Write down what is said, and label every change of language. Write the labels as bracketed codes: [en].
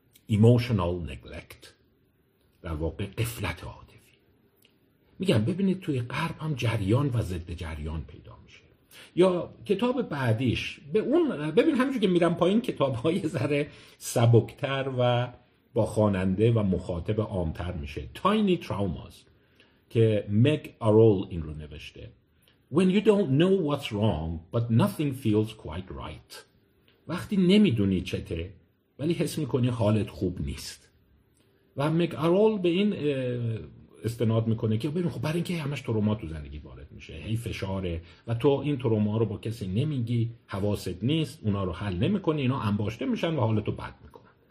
[fa] Emotional neglect، در واقع غفلت عاطفی. میگم ببینید توی غرب هم جریان و ضد جریان پیدا میشه. یا کتاب بعدیش به اون، ببین همینجوری که میرم پایین کتاب‌های ذره سبکتر و با خواننده و مخاطب عام‌تر میشه. [en] Tiny Traumas [fa] که مک آرول این رو نوشته. [en] When you don't know what's wrong but nothing feels quite right. [fa] وقتی نمیدونی چته ولی حس میکنی حالت خوب نیست. و مک‌آرول به این استناد میکنه که ببین خب برای اینکه همش تروما تو زندگی وارد میشه، هی فشاره و تو این تروما رو با کسی نمیگی، حواست نیست، اونا رو حل نمیکنی، اینا انباشته میشن و حالتو بد میکنن.